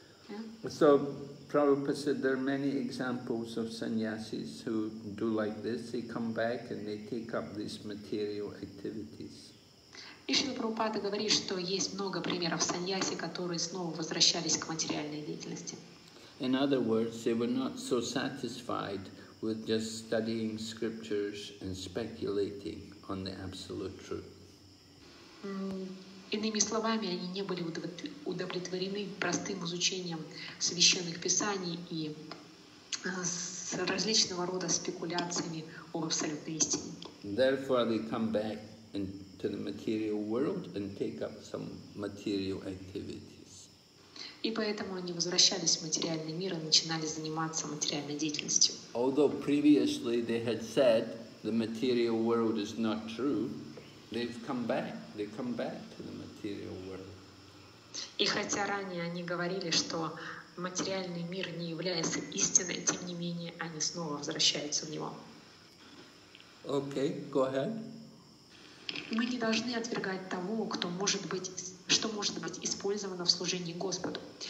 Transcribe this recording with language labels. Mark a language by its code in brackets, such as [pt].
[en] Yeah. So Prabhupada said there are many examples of sannyasis who do like this. They come back and they take up these material activities. [ru] И Шрила Прабхупада говорит, что есть много примеров саньяси, которые снова возвращались к материальной деятельности. [en] In other words, they were not so satisfied with just studying scriptures and speculating on the absolute truth. [ru] Иными словами, они не были удовлетворены простым изучением священных писаний и с различного рода спекуляциями об абсолютной истине. [en] Therefore, they come back into the material world and take up some material activities. [ru] И поэтому они возвращались в материальный мир и начинали заниматься материальной деятельностью. [en] Although previously they had said the material world is not true, they've come back. They come back to the material world. [ru] И хотя ранее они говорили, что материальный мир не является истиной, тем не менее они снова возвращаются в него. [en] Okay, go ahead. [ru] Мы не должны отвергать того, кто может быть, что может быть использовано в служении Господу.